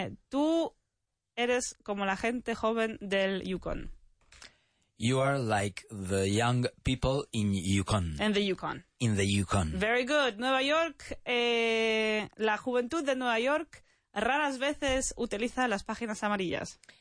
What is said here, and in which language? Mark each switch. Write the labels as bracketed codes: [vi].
[es] Tú eres como la gente joven del Yukon. [en] You are like the young people in Yukon. In the Yukon. Very good. [es] Nueva York, la juventud de Nueva York raras veces utiliza las páginas amarillas.